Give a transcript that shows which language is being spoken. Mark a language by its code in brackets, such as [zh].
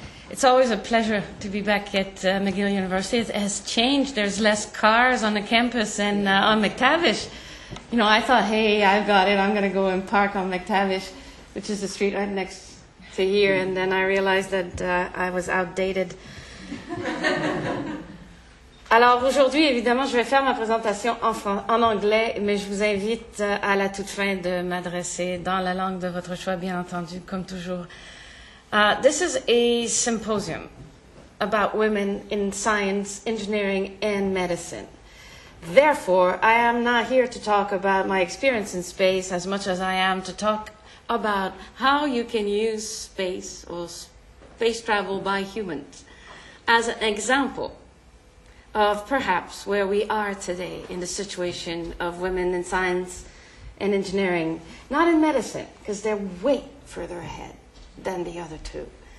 [en] It's always a pleasure to be back at McGill University. It has changed. There's less cars on the campus and on McTavish. You know, I thought, hey, I've got it. I'm going to go and park on McTavish, which is the street right next to here. And then I realized that I was outdated. [fr] Alors aujourd'hui, évidemment, je vais faire ma présentation en anglais, mais je vous invite à la toute fin de m'adresser dans la langue de votre choix, bien entendu, comme toujours. [en] This is a symposium about women in science, engineering, and medicine. Therefore, I am not here to talk about my experience in space as much as I am to talk about how you can use space or space travel by humans as an example of perhaps where we are today in the situation of women in science and engineering, not in medicine, because they're way further ahead than the other two.